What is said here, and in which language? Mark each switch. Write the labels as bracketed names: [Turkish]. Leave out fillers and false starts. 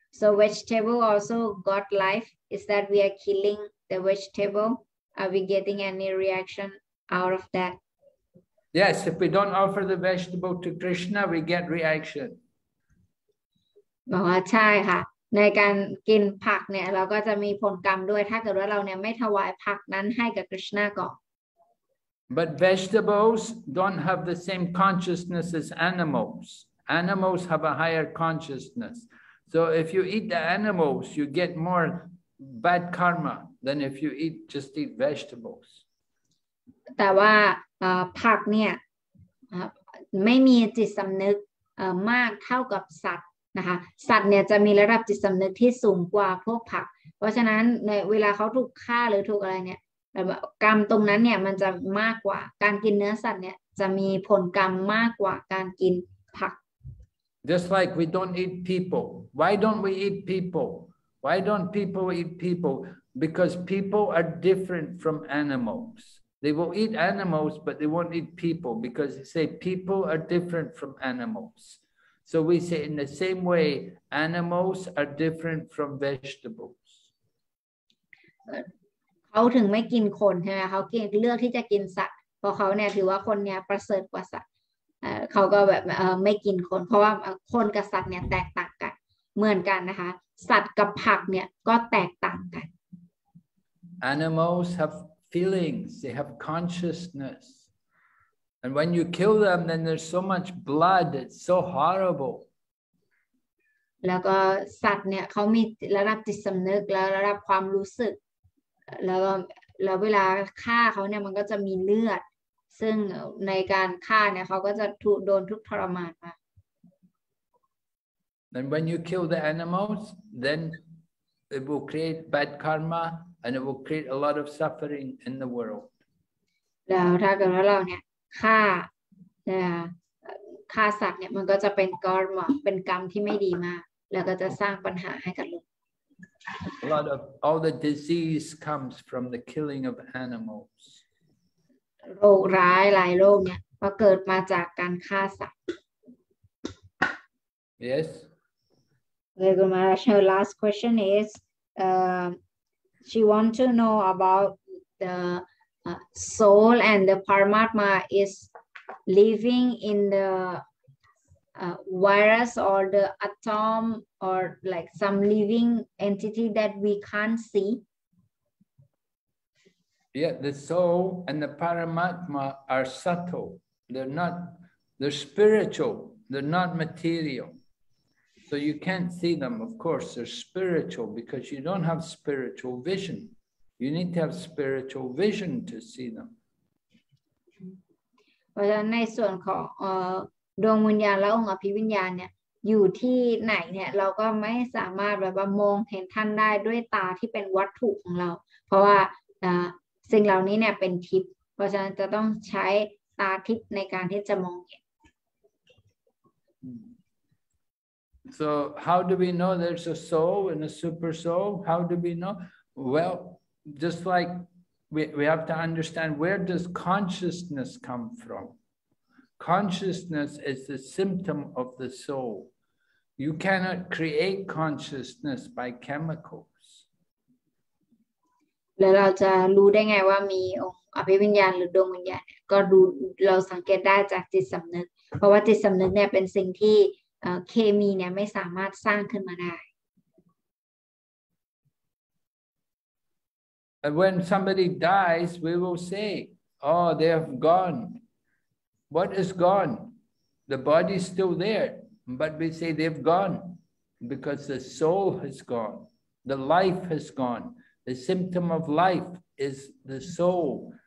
[English] So vegetable also got life. Is that we are killing the vegetable? Are we getting any reaction out of that? Yes, if we don't offer the vegetable to Krishna, we get reaction. [Thai] Oh, ใช่ค่ะในการกินผักเนี่ยเราก็จะมีผลกรรมด้วยถ้าเกิดว่าเราเนี่ยไม่ถวายผักนั้นให้กับกฤษณะก่อน [English] But vegetables don't have the same consciousness as animals. Animals have a higher consciousness. So if you eat the animals, you get more bad karma than if you eat vegetables. [Thai] แต่ว่าผักเนี่ยไม่มีจิตสำนึกมากเท่ากับสัตว์นะคะสัตว์เนี่ยจะมีระดับจิตสำนึกที่สูงกว่าพวกผักเพราะฉะนั้นในเวลาเขาถูกฆ่าหรือถูกอะไรเนี่ยกรรมตรงนั้นเนี่ยมันจะมากกว่าการกินเนื้อสัตว์เนี่ยจะมีผลกรรมมากกว่าการกินผัก [English] Just like we don't eat people why don't we eat people why don't people eat people because people are different from animals they will eat animals but they won't eat people because they say people are different from animals So we say in the same way, animals are different from vegetables. [Thai] เขาถึงไม่กินคนใช่ไหมเขาเลือกที่จะกินสัตว์เพราะเขาเนี่ยถือว่าคนเนี่ยประเสริฐกว่าสัตว์เขาก็แบบไม่กินคนเพราะว่าคนกับสัตว์เนี่ยแตกต่างกันเหมือนกันนะคะสัตว์กับผักเนี่ยก็แตกต่างกัน [English] Animals have feelings. They have consciousness. And when you kill them, then there's so much blood. It's so horrible. [Thai] แล้วก็สัตว์เนี่ยเขามีระดับจิตสำนึกแล้วระดับความรู้สึกแล้วเวลาฆ่าเขาเนี่ยมันก็จะมีเลือดซึ่งในการฆ่าเนี่ยเขาก็จะถูกโดนทุกข์ทรมานมา [English] Then when you kill the animals, then it will create bad karma and it will create a lot of suffering in the world. [Thai] แล้วถ้าเกิดว่าเราเนี่ยฆ่าสัตว์เนี่ยมันก็จะเป็นกรรมเป็นกรรมที่ไม่ดีมากแล้วก็จะสร้างปัญหาให้กับลูก [English] A lot of all the disease comes from the killing of animals [Thai] โรคร้ายหลายโรคเนี่ยก็เกิดมาจากการฆ่าสัตว์ [English] Yes Okay, Guru Maharaj, her last question is she want to know about theSoul and the Paramatma is living in the virus or the atom or like some living entity that we can't see? Yeah, the soul and the Paramatma are subtle. They're spiritual. They're not material. So you can't see them. Of course, they're spiritual because you don't have spiritual vision. You need to have spiritual vision to see them. [Thai] เพราะฉะนั้นในส่วนของดวงวิญญาณและองค์อภิวิญญาณเนี่ยอยู่ที่ไหนเนี่ยเราก็ไม่สามารถแบบว่ามองเห็นท่านได้ด้วยตาที่เป็นวัตถุของเราเพราะว่าสิ่งเหล่านี้เนี่ยเป็นทิพย์เพราะฉะนั้นจะต้องใช้ตาทิพย์ในการที่จะมองเห็น [English] So how do we know there's a soul and a super soul? How do we know? Well,Just like we have to understand where does consciousness come from? Consciousness is the symptom of the soul. You cannot create consciousness by chemicals. [Thai] แล้วเราจะรู้ได้ไงว่ามีอภิวิญญาณหรือดวงวิญญาณก็ดูเราสังเกตได้จากจิตสำนึกเพราะว่าจิตสำนึกเนี่ยเป็นสิ่งที่เคมีเนี่ยไม่สามารถสร้างขึ้นมาได้ [English] And when somebody dies, we will say, oh, they have gone. What is gone? The body is still there. But we say they've gone because the soul has gone. The life has gone. The symptom of life is the soul.